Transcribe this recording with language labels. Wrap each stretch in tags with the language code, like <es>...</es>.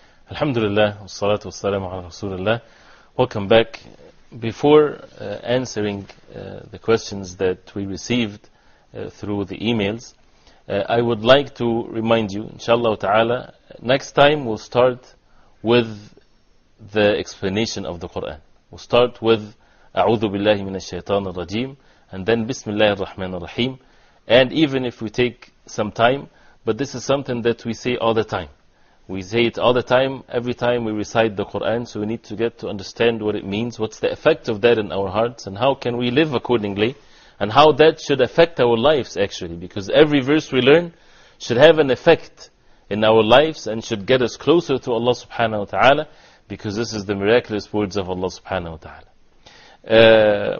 <ar>الحمد لله والصلاة والسلام على رسول الله.</ar> <en>Welcome back. Before answering the questions that we received through the emails, I would like to remind you, inshallah ta'ala, next time we'll start with the explanation of the Quran. We'll start with</en> <ar>أعوذ بالله من الشيطان الرجيم</ar> <en>and then</en> <ar>بسم الله الرحمن الرحيم.</ar> <en>And even if we take some time, but this is something that we say all the time. We say it all the time, every time we recite the Quran, so we need to get to understand what it means, what's the effect of that in our hearts, and how can we live accordingly, and how that should affect our lives actually, because every verse we learn should have an effect in our lives and should get us closer to Allah subhanahu wa ta'ala, because this is the miraculous words of Allah subhanahu wa ta'ala.</en>